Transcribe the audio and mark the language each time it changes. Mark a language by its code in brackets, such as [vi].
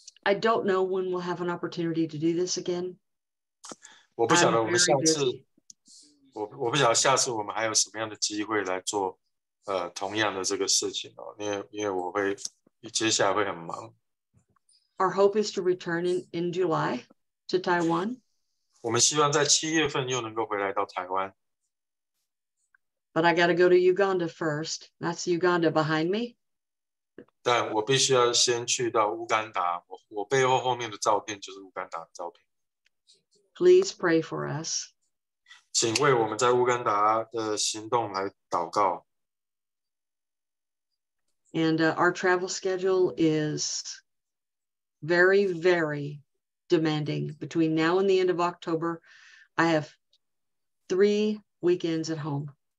[en] I don't know when we'll have an opportunity to do this again. [zh] 我不晓得下次我们还有什么样的机会来做 同样的这个事情哦, 因为我会接下来会很忙。 [en] Our hope is to return in July to Taiwan. [zh] 我们希望在7月份又能够回来到台湾。 [en] But I got to go to Uganda first. That's Uganda behind me. [zh] 但我必须要先去到乌干达，我背后后面的照片就是乌干达的照片。 [en] Please pray for us. [zh] 请为我们在乌干达的行动来祷告。 [en] And our travel schedule is very, very demanding. Between now and the end of October, I have 3 weekends at home.